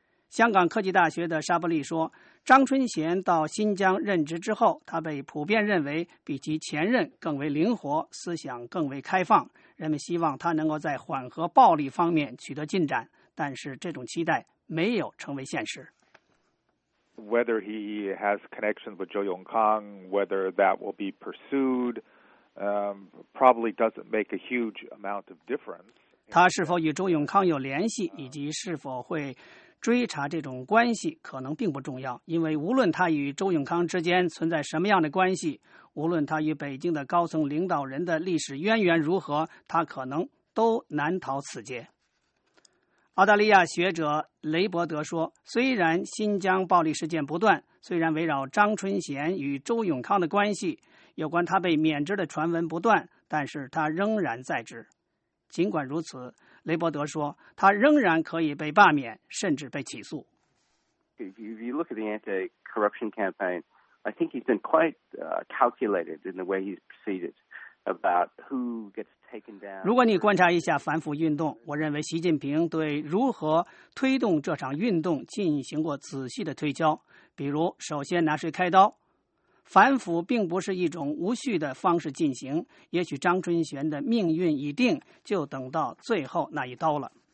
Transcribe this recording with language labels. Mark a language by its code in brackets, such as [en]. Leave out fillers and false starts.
[zh] 香港科技大学的沙伯利说，张春贤到新疆任职之后，他被普遍认为比其前任更为灵活，思想更为开放，人们希望他能够在缓和暴力方面取得进展，但是这种期待没有成为现实。 [en] Whether he has connections with Zhou Yongkang, whether that will be pursued, probably doesn't make a huge amount of difference. [zh] 他是否与周永康有联系以及是否会追查这种关系可能并不重要，因为无论他与周永康之间存在什么样的关系，无论他与北京的高层领导人的历史渊源如何，他可能都难逃此劫。澳大利亚学者雷伯德说，虽然新疆暴力事件不断，虽然围绕张春贤与周永康的关系有关他被免职的传闻不断，但是他仍然在职。尽管如此，雷伯德说，他仍然可以被罢免，甚至被起诉。 [en] If you look at the anti-corruption campaign, I think he's been quite calculated in the way he's proceeded about who gets taken down. [zh] 如果你观察一下反腐运动，我认为习近平对如何推动这场运动进行过仔细的推敲，比如首先拿谁开刀，反腐并不是一种无序的方式进行，也许张春玄的命运已定，就等到最后那一刀了。